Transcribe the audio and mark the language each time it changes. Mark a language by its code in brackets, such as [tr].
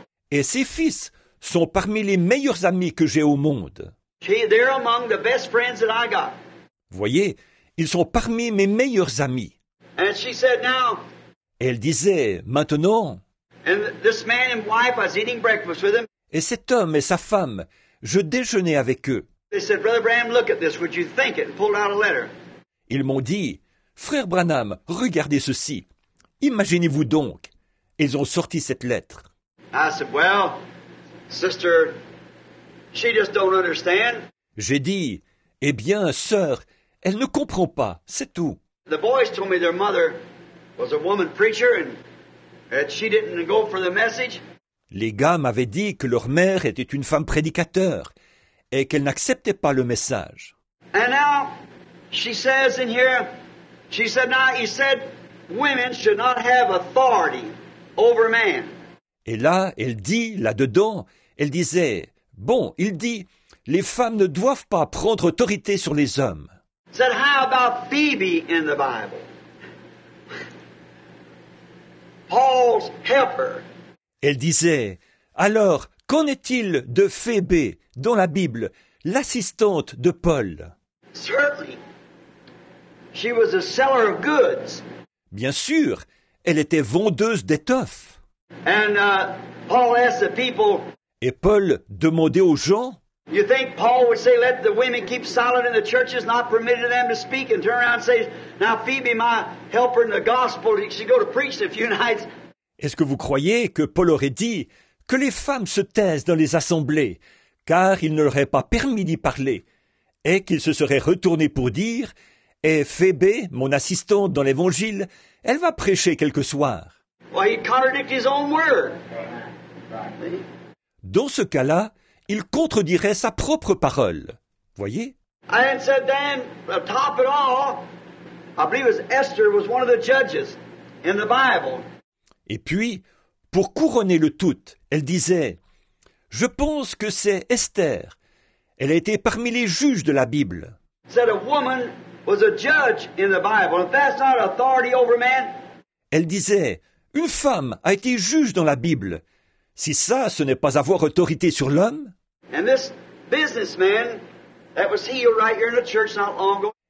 [fr] Et ses fils sont parmi les meilleurs amis que j'ai au monde. [en] They're among the best friends that I got. [fr] Voyez, ils sont parmi mes meilleurs amis. [en] And she said, now, [fr] et elle disait, maintenant, [en] and this man and wife, I was eating breakfast with him. [fr] Et cet homme et sa femme, je déjeunais avec eux. [en] They said, Brother Branham, look at this. Would you think it? And pulled out a letter. [fr] Ils m'ont dit, Frère Branham, regardez ceci. Imaginez-vous donc. Ils ont sorti cette lettre. [en] I said, well, sister, she just don't understand. [fr] J'ai dit, eh bien, sœur, elle ne comprend pas, c'est tout. [en] The boys told me their mother was a woman preacher and that she didn't go for the message. [fr] Les gars m'avaient dit que leur mère était une femme prédicateur et qu'elle n'acceptait pas le message. [en] And now, she says in here, she said, now he said, women should not have authority over man. [fr] Et là, elle dit, là-dedans, elle disait, bon, il dit, les femmes ne doivent pas prendre autorité sur les hommes. [en] Said, how about Phoebe in the Bible? Paul's helper. [fr] Elle disait, alors, qu'en est-il de Phoebe dans la Bible, l'assistante de Paul? [en] Certainly. She was a seller of goods. [fr] Bien sûr, elle était vendeuse d'étoffes. [en] And Paul asked the people. [fr] Et Paul demandait aux gens. [en] You think Paul would say, let the women keep silent in the churches, not permitting them to speak, and turn around and say, now Phoebe, my helper in the gospel, she go to preach a few nights. [fr] Est-ce que vous croyez que Paul aurait dit que les femmes se taisent dans les assemblées, car il ne leur est pas permis d'y parler, et qu'il se serait retourné pour dire. Et Phoebe, mon assistante dans l'Évangile, elle va prêcher quelques soirs. [en] Well, he contradicted his own word. [fr] Dans ce cas-là, il contredirait sa propre parole. Voyez? [en] And said then, top it all, I believe it was Esther was one of the judges in the Bible. [fr] Et puis, pour couronner le tout, elle disait, je pense que c'est Esther. Elle a été parmi les juges de la Bible. [en] Said a woman was a judge in the Bible. If that's not authority over man. [fr] Elle disait, une femme a été juge dans la Bible. Si ça, ce n'est pas avoir autorité sur l'homme. [en] And this businessman that was healed right here in the church not long ago.